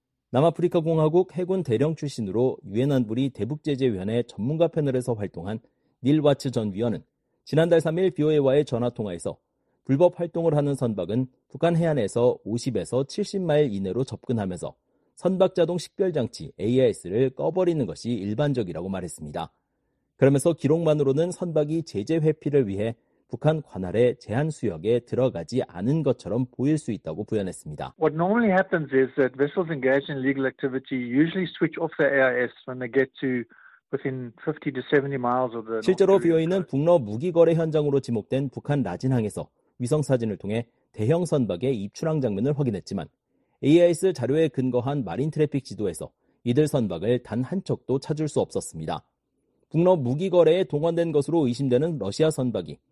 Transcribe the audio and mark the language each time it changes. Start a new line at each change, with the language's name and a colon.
Korean: 남아프리카공화국 해군 대령 출신으로 유엔 안보리 대북제재위원회 전문가 패널에서 활동한 닐 와츠 전 위원은 지난달 3일 BOA와의 전화통화에서 불법 활동을 하는 선박은 북한 해안에서 50에서 70마일 이내로 접근하면서 선박 자동 식별장치 AIS를 꺼버리는 것이 일반적이라고 말했습니다. 그러면서 기록만으로는 선박이 제재 회피를 위해 북한 관할의 제한 수역에 들어가지 않은 것처럼 보일 수 있다고 부연했습니다.
English: What normally happens is that vessels engaged in illegal activity usually switch off their AIS when they get to within 50 to 70 miles of the
Korean: 실제로 BOA는 북러 무기 거래 현장으로 지목된 북한 라진항에서 위성 사진을 통해 대형 선박의 입출항 장면을 확인했지만 AIS 자료에 근거한 마린 트래픽 지도에서 이들 선박을 단 한 척도 찾을 수 없었습니다. 북러 무기 거래에 동원된 것으로 의심되는 러시아 선박이